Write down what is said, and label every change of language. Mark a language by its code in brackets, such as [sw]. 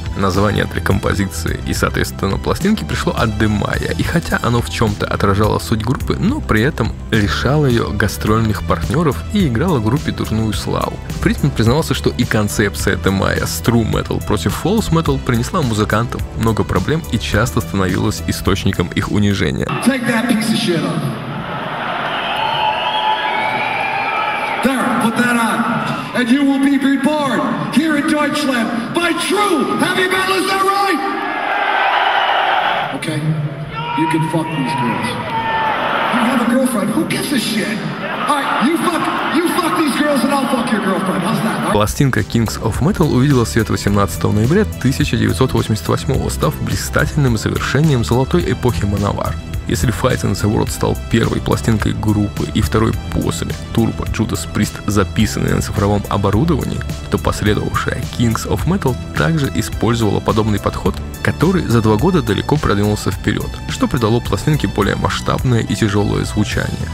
[ru] Название для композиции и, соответственно, пластинки пришло от Демайя, и хотя оно в чем-то отражало суть группы, но при этом лишало ее гастрольных партнеров и играло группе дурную славу. Фридман признавался, что и концепция Демайя с true metal против false metal принесла музыкантам много проблем и часто становилась источником их унижения. [en] Take that piece of shit off. There, put that on. And you will be reborn here in Deutschland by true heavy metal, is that right? Okay, you can fuck these girls. You have a girlfriend, who gives a shit? Alright, you fuck these girls and I'll fuck your girlfriend, how's that? [ru] Пластинка Kings of Metal увидела свет 18 ноября 1988-го, став блистательным завершением золотой эпохи Manowar. Если Fighting the World стал первой пластинкой группы и второй после Turbo, Judas Priest, записанной на цифровом оборудовании, то последовавшая Kings of Metal также использовала подобный подход, который за 2 года далеко продвинулся вперед, что придало пластинке более масштабное и тяжелое звучание.